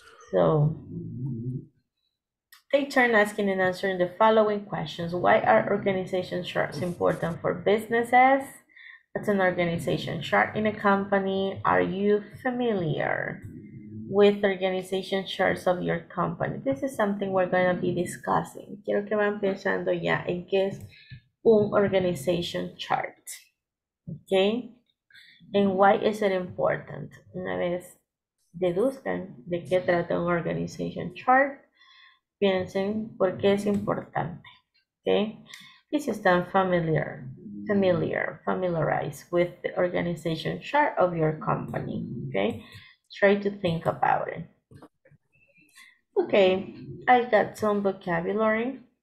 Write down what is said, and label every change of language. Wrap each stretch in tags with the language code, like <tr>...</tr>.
<en>So they turn asking and answering the following questions. Why are organization charts important for businesses? What's an organization chart in a company? Are you familiar with organization charts of your company? This is something we're going to be discussing.</en> <es>Quiero que van pensando ya en qué es un organization chart. Okay?</es> <en>And why is it important?</en> <es>Una vez deduzcan de qué trata un organization chart, piensen por qué es importante.</es> <en>Okay?</en> <es>Y si están</es> <en>familiarized with the organization chart of your company. Okay? Try to think about it. Okay, I got some vocabulary.</en>